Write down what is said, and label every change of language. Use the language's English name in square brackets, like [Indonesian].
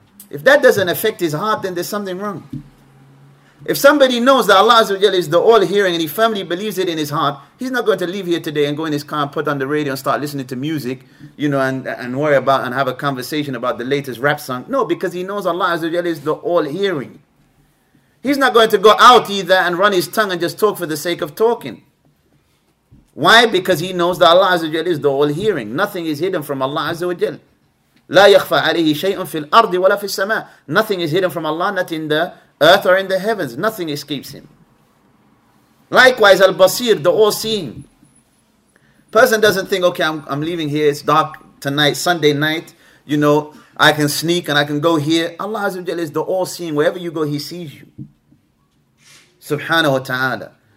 [English] If that doesn't affect his heart, then there's something wrong. If somebody knows that Allah Azza wa Jalla is the all-hearing and he firmly believes it in his heart, he's not going to leave here today and go in his car and put on the radio and start listening to music, you know, and worry about and have a conversation about the latest rap song. No, because he knows Allah Azza wa Jalla is the all-hearing. He's not going to go out either and run his tongue and just talk for the sake of talking. Why? Because he knows that Allah Azza wa Jalla is the all-hearing. Nothing is hidden from Allah Azza wa Jalla. [Arabic] لا يخفى عليه شيء في الأرض ولا في السماء. [English] Nothing is hidden from Allah, not in the earth or in the heavens. Nothing escapes Him. Likewise, Al-Basir, the all-seeing. Person doesn't think, okay, I'm leaving here, it's dark tonight, Sunday night, you know, I can sneak and I can go here. Allah Azza wa Jalla is the all-seeing. Wherever you go, He sees you. Subhanahu wa ta'ala.